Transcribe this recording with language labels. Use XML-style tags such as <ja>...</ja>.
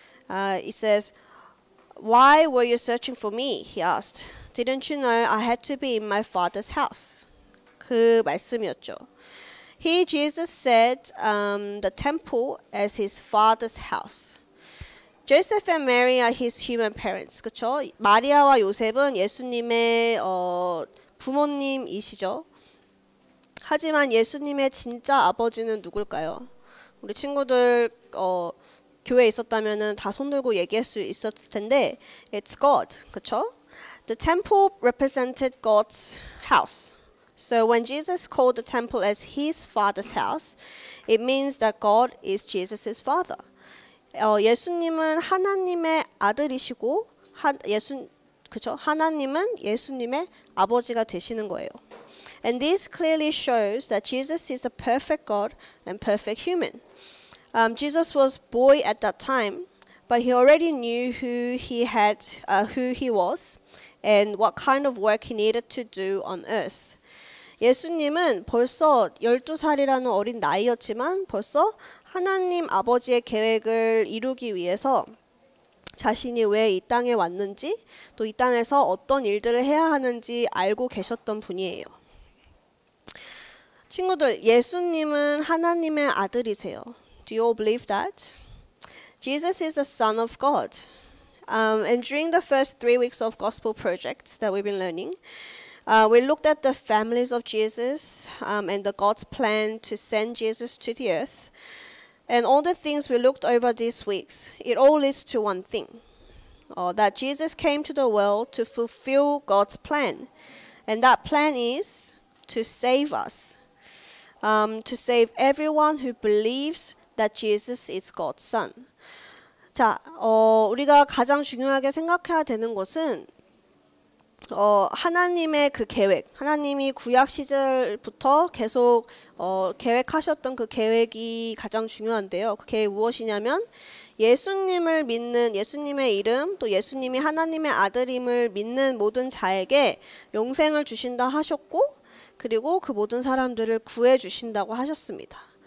<en>It says, why were you searching for me? He asked. Didn't you know I had to be in my father's house?</en> <ko>그 말씀이었죠.</ko> <en>He, Jesus, said the temple as his father's house. Joseph and Mary are his human parents,</en> <ko>그쵸? 마리아와 요셉은 예수님의 부모님이시죠? 하지만 예수님의 진짜 아버지는 누굴까요? 우리 친구들 교회에 있었다면은 다 손 들고 얘기할 수 있었을 텐데</ko> <en>It's God,</en> <ko>그쵸?</ko> <en>The temple represented God's house. So when Jesus called the temple as his father's house, it means that God is Jesus' father.</en> <ko>예수님은 하나님의 아들이시고 하나님은 예수님의 아버지가 되시는 거예요.</ko> <en>And this clearly shows that Jesus is a perfect God and perfect human. Jesus was boy at that time, but he already knew who he was and what kind of work he needed to do on earth.</en> <ko>예수님은 벌써 12살이라는 어린 나이였지만 벌써 하나님 아버지의 계획을 이루기 위해서 자신이 왜 이 땅에 왔는지 또 이 땅에서 어떤 일들을 해야 하는지 알고 계셨던 분이에요. 친구들, 예수님은 하나님의 아들이세요.</ko> <en>Do you all believe that? Jesus is the Son of God. And during the first 3 weeks of Gospel Project that we've been learning, we looked at the families of Jesus and the God's plan to send Jesus to the earth. And all the things we looked over these weeks, it all leads to one thing. that Jesus came to the world to fulfill God's plan. And that plan is to save us, to save everyone who believes that Jesus is God's son.</en> <ko>자, 우리가 가장 중요하게 생각해야 되는 것은 하나님의 그 계획, 하나님이 구약 시절부터 계속 계획하셨던 그 계획이 가장 중요한데요. 그게 무엇이냐면 예수님을 믿는 예수님의 이름, 또 예수님이 하나님의 아들임을 믿는 모든 자에게 영생을 주신다 하셨고 그리고 그 모든 사람들을 구해 주신다고 하셨습니다.</ko>